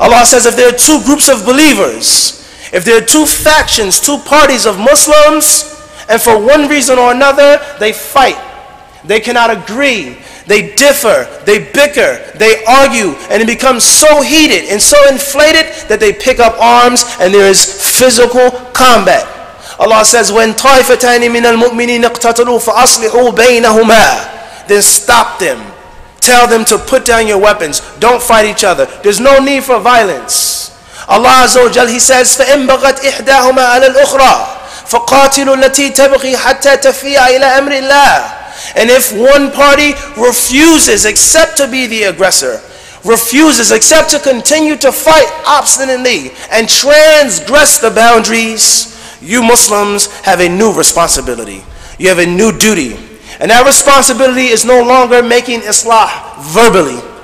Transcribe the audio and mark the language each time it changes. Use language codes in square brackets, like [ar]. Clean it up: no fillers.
[en] Allah says, if there are two groups of believers, if there are two factions, two parties of Muslims, and for one reason or another, they fight, they cannot agree, they differ, they bicker, they argue, and it becomes so heated and so inflated that they pick up arms and there is physical combat. Allah says, when [ar] طَائِفَتَانِ مِنَ الْمُؤْمِنِينَ اقْتَتَلُوا فَأَصْلِحُوا بَيْنَهُمَا. [en] Then stop them. Tell them to put down your weapons. Don't fight each other. There's no need for violence. Allah Azza wa Jal, He says, [ar] فَإِنْ بَغَتْ إِحْدَاهُمَا عَلَى الْأُخْرَى فَقَاتِلُوا الَّتِي تَبْغِي حَتَّى تَفِيَ إِلَىٰ أَمْرِ اللَّهِ. [en] And if one party refuses except to be the aggressor, refuses except to continue to fight obstinately and transgress the boundaries, you Muslims have a new responsibility. You have a new duty. And that responsibility is no longer making islah verbally.